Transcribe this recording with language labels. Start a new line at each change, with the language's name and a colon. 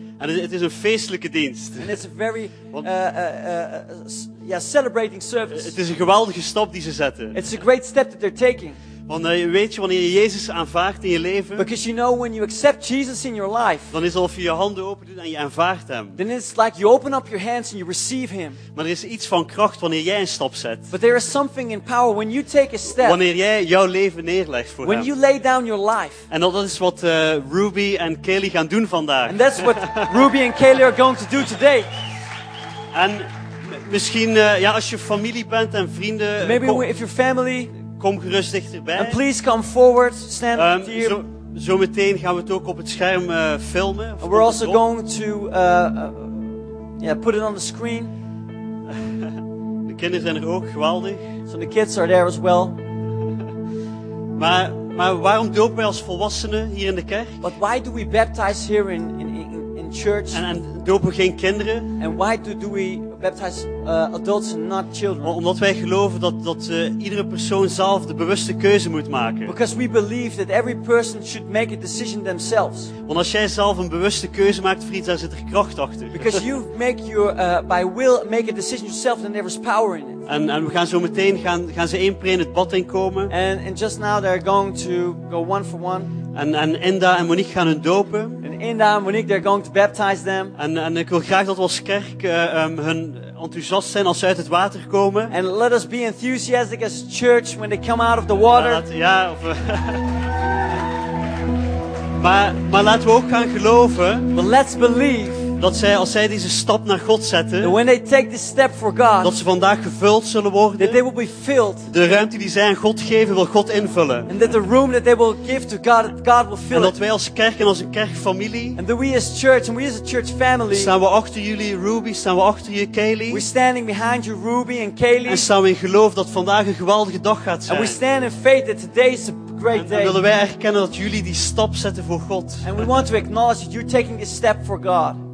Dutch: En het is een feestelijke dienst.
English: And it's a very celebrating service.
Dutch: Het is een geweldige stap die ze zetten.
English: It's a great step that they're taking.
Dutch: Want weet je wanneer je Jezus aanvaardt in je leven?
English: Because you know when you accept Jesus in your life.
Dutch: Dan is het alsof je je handen open doet en je aanvaardt hem.
English: Then it's like you open up your hands and you receive him.
Dutch: Maar er is iets van kracht wanneer jij een stap zet.
English: But there is something in power when you take a step.
Dutch: Wanneer jij jouw leven neerlegt voor
English: when
Dutch: hem.
English: When you lay down your life.
Dutch: En dat is wat Ruby en Kaylee gaan doen vandaag.
English: And that's what Ruby and Kaylee are going to do today.
Dutch: En misschien als je familie bent en vrienden.
English: Maybe if your family.
Dutch: Kom gerust dichterbij.
English: And please come forward, stand here.
Dutch: Zo meteen gaan we het ook op het scherm filmen.
English: And we're also going to put it on the screen.
Dutch: De kinderen zijn er ook, geweldig.
English: So the kids are there as well.
Dutch: maar waarom dopen wij als volwassenen hier in de kerk?
English: But why do we baptize here in church?
Dutch: En dopen geen kinderen?
English: And why do we baptize adults and not children.
Dutch: Omdat wij geloven dat iedere persoon zelf de bewuste keuze moet maken.
English: Because we believe that every person should make a decision themselves.
Dutch: Want als jij zelf een bewuste keuze maakt voor iets, dan zit er kracht achter.
English: Because you make your by will make a decision yourself, then there is power in it.
Dutch: En we gaan zo meteen gaan ze één per één het bad inkomen.
English: And just now they're going to go one for one.
Dutch: En Inda en Monique gaan hun dopen.
English: And Inda and Monique, they're going to baptize them.
Dutch: En ik wil graag dat we als kerk hun enthousiast zijn als ze uit het water komen.
English: And let us be enthusiastic as church when they come out of the water.
Dutch: maar laten we ook gaan geloven.
English: But let's believe.
Dutch: Dat zij, als zij deze stap naar God zetten.
English: When they take this step for God,
Dutch: dat ze vandaag gevuld zullen worden.
English: That they will be filled.
Dutch: De ruimte die zij aan God geven, wil God invullen.
English: And that the room that they will give to God, that God will fill it.
Dutch: En dat wij als kerk en als een kerkfamilie.
English: And that we as church and we as a church family.
Dutch: Staan we achter jullie, Ruby. Staan we achter je, Kaylee.
English: We're standing behind you, Ruby and Kaylee.
Dutch: En staan we in geloof dat vandaag een geweldige dag gaat zijn.
English: And we stand in faith that today is a great day.
Dutch: En willen wij erkennen dat jullie die stap zetten voor God.
English: And we want to acknowledge that you're taking this step for God.